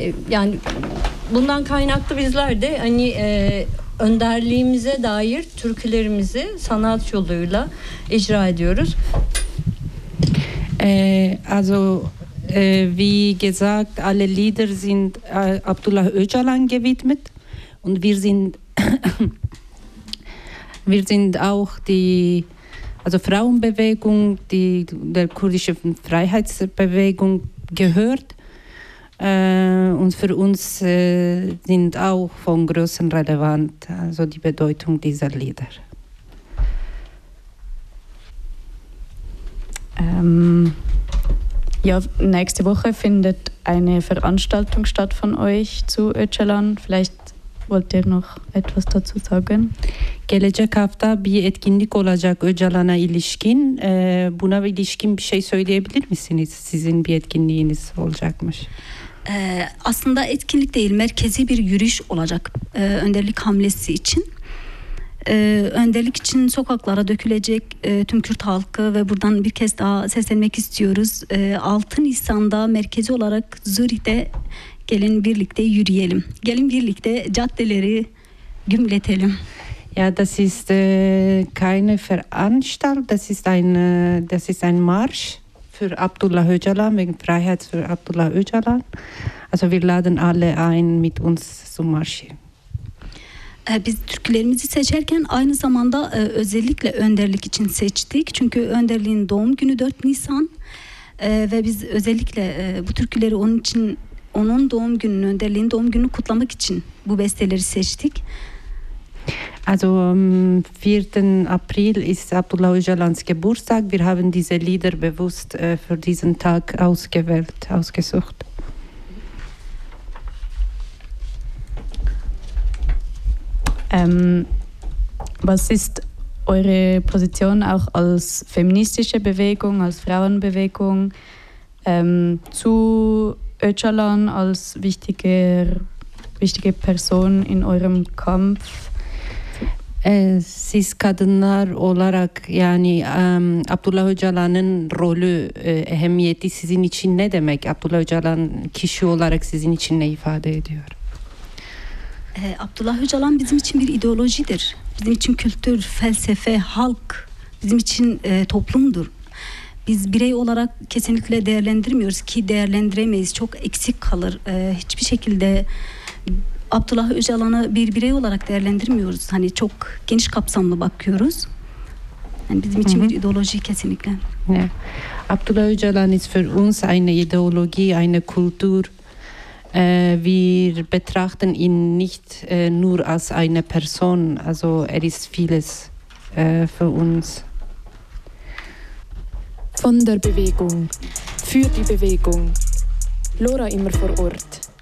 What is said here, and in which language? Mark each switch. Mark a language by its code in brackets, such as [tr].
[tr] Yani bundan kaynaklı bizler de hani önderliğimize dair türkülerimizi sanat yoluyla icra ediyoruz. [de] Also wie gesagt, alle Lieder sind Abdullah Öcalan gewidmet und wir sind auch die also Frauenbewegung, die der kurdischen Freiheitsbewegung gehört. Und für uns sind auch von großem Relevanz, also die Bedeutung dieser Lieder. Ja, nächste Woche findet eine Veranstaltung statt von euch zu Öcalan. Vielleicht wollt ihr noch etwas dazu sagen? [tr] Gelecek hafta bir etkinlik olacak Öcalan'a ilişkin. Buna ilişkin bir şey söyleyebilir misiniz? Sizin bir etkinliğiniz olacakmış. Aslında etkinlik değil, merkezi bir yürüyüş olacak önderlik hamlesi için. Önderlik için sokaklara dökülecek tüm Kürt halkı ve buradan bir kez daha seslenmek istiyoruz. 6 Nisan'da merkezi olarak Zürih'te gelin birlikte yürüyelim. Gelin birlikte caddeleri gümletelim. [de] Ja, das ist keine Veranstaltung, das ist ein Marsch. Für Abdullah Öcalan, wegen Freiheit für Abdullah Öcalan. Also wir laden alle ein mit uns zum Marsch. [tr] Biz türkülerimizi seçerken aynı zamanda özellikle önderlik için seçtik. Çünkü önderliğin doğum günü 4 Nisan ve biz özellikle bu türküleri onun için onun doğum gününü, önderliğin doğum gününü kutlamak için bu besteleri seçtik. [de] Also am 4. April ist Abdullah Öcalan's Geburtstag. Wir haben diese Lieder bewusst für diesen Tag ausgesucht. Was ist eure Position auch als feministische Bewegung, als Frauenbewegung zu Öcalan als wichtige Person in eurem Kampf? [tr] Siz kadınlar olarak yani Abdullah Öcalan'ın rolü, ehemmiyeti sizin için ne demek? Abdullah Öcalan kişi olarak sizin için ne ifade ediyor? Abdullah Öcalan bizim için bir ideolojidir. Bizim için kültür, felsefe, halk, bizim için toplumdur. Biz birey olarak kesinlikle değerlendirmiyoruz ki değerlendiremeyiz. Çok eksik kalır. Hiçbir şekilde... Abdullah Öcalan'ı bir birey olarak değerlendirmiyoruz. Hani çok geniş kapsamlı bakıyoruz. Yani bizim için bir ideoloji kesinlikle. [en] Yeah. [de] Abdullah Öcalan ist für uns eine Ideologie, eine Kultur. Wir betrachten ihn nicht nur als eine Person. Also er ist vieles für uns. Von der Bewegung. Für die Bewegung. Laura immer vor Ort.